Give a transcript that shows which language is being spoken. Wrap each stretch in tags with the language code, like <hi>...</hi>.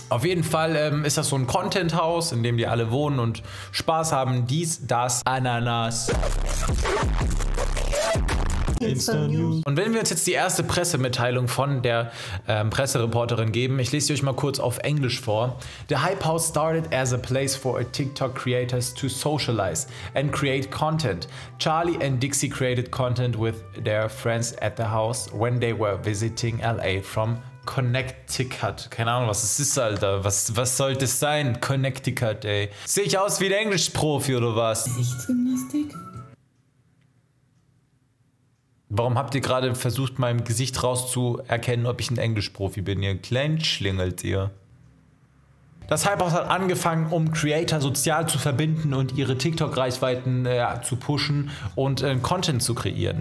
<de>Auf jeden Fall ist das so ein Content-Haus, in dem die alle wohnen und Spaß haben. Dies, das, Ananas. Insta-News. Und wenn wir uns jetzt die erste Pressemitteilung von der Pressereporterin geben, ich lese sie euch mal kurz auf Englisch vor.</de> <en>The Hype House started as a place for TikTok creators to socialize and create content. Charli and Dixie created content with their friends at the house when they were visiting LA from Connecticut.</en> <de>Keine Ahnung, was es ist, Alter. Was soll das sein? Connecticut, ey. Sehe ich aus wie ein Englischprofi oder was? Gesichtsgymnastik? Warum habt ihr gerade versucht, meinem Gesicht rauszuerkennen, ob ich ein Englischprofi bin? Ihr kleinschlingelt ihr. Das Hype-Haus hat angefangen, um Creator sozial zu verbinden und ihre TikTok-Reichweiten zu pushen und Content zu kreieren.</de>